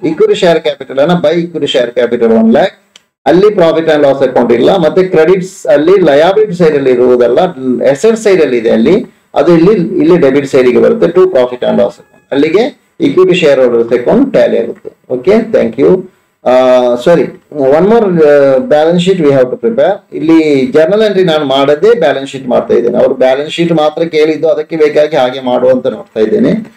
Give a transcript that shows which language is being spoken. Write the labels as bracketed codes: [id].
[kn] Equity share capital ಅನ್ನ by equity share capital 1,00,000, ಅಲ್ಲಿ profit and loss account ಇಲ್ಲ. ಮತ್ತೆ ಕ್ರೆಡಿಟ್ಸ್ ಅಲ್ಲಿ ಲಯಾಬಿಲಿಟಿ ಸೈಡ್ ಅಲ್ಲಿ ಇರುವುದಲ್ಲ, ಅಸೆಟ್ ಸೈಡ್ ಅಲ್ಲಿ ಇದೆ ಅಲ್ಲಿ, ಅದು ಇಲ್ಲಿ ಇಲ್ಲಿ ಡೆಬಿಟ್ ಸೈಡ್ಗೆ ಬರುತ್ತೆ. To profit and loss account, ಅಲ್ಲಿಗೆ equity share holders account Tally ಆಗುತ್ತೆ. [en] Okay, thank you. One more balance sheet we have to prepare. [kn] ಇಲ್ಲಿ ಜರ್ನಲ್ ಎಂಟ್ರಿ ನಾನು ಮಾಡದೇ ಬ್ಯಾಲೆನ್ಸ್ ಶೀಟ್ ಮಾಡ್ತಾ ಇದ್ದೇನೆ. ಅವರು ಬ್ಯಾಲೆನ್ಸ್ ಶೀಟ್ ಮಾತ್ರ ಕೇಳಿದ್ದು ಅದಕ್ಕೆ ಬೇಕಾಗಿ ಹಾಗೆ ಮಾಡು ಅಂತ ನೋಡ್ತಾ ಇದ್ದೇನೆ.